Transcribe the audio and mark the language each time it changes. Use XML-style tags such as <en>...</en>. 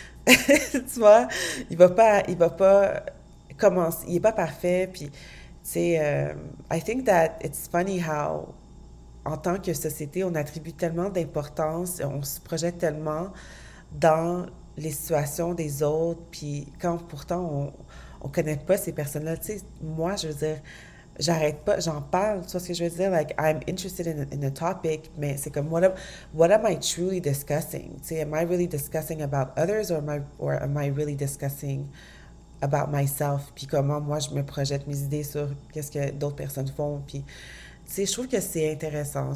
<fr>Tu vois, il va pas commencer, il est pas parfait, puis tu sais,</fr> <en>I think that it's funny how</en> <fr>en tant que société, on attribue tellement d'importance, on se projette tellement dans les situations des autres, puis quand pourtant on connaît pas ces personnes-là, tu sais, moi je veux dire. J'arrête pas, j'en parle, tu vois ce que je veux dire?</fr> <en>Like, I'm interested in the topic,</en> <fr>mais c'est comme,</fr> <en>what am I truly discussing? T'sais, am I really discussing about others or am I really discussing about myself?</en> <fr>Puis comment moi je me projette mes idées sur qu'est-ce que d'autres personnes font? Puis, tu sais, je trouve que c'est intéressant.</fr>